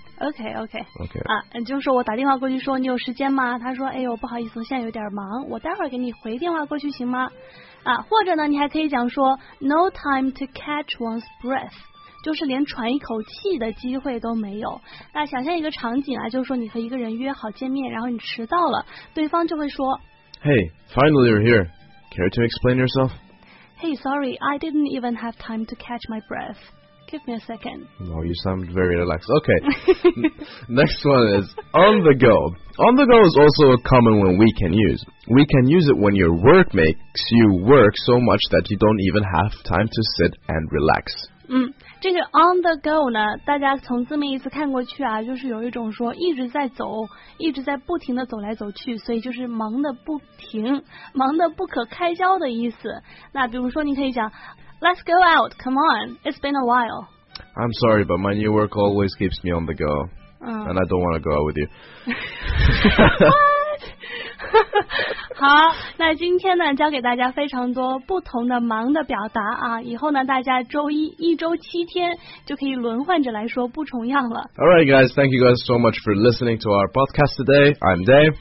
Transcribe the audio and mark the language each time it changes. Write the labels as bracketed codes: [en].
[en] Okay, okay, okay. [zh] 啊，就是我打电话过去说你有时间吗？他说，哎呦，不好意思，现在有点忙，我待会儿给你回电话过去行吗？啊，或者呢，你还可以讲说 ， [en] No time to catch one's breath. [zh] 就是连喘一口气的机会都没有。那想象一个场景啊，就是说你和一个人约好见面，然后你迟到了，对方就会说 [en] Hey, finally you're here. Care to explain yourself? Hey, sorry, I didn't even have time to catch my breath. Give me a second. No, you sound very relaxed. Okay. Next one is on the go. On the go is also a common one we can use. We can use it when your work makes you work so much that you don't even have time to sit and relax. [zh] 这个 on the go 呢，大家从字面意思看过去啊，就是有一种说一直在走，一直在不停的走来走去，所以就是忙的不停，忙的不可开交的意思。那比如说你可以讲 [en] Let's go out, come on, it's been a while. I'm sorry, but my new work always keeps me on the go, and I don't want to go out with you. [zh] 好，那今天呢教给大家非常多不同的忙的表达啊，以后呢大家周一周七天就可以轮换着来说不重样了。 [en] Alright guys, thank you guys so much for listening to our podcast today. I'm Dave.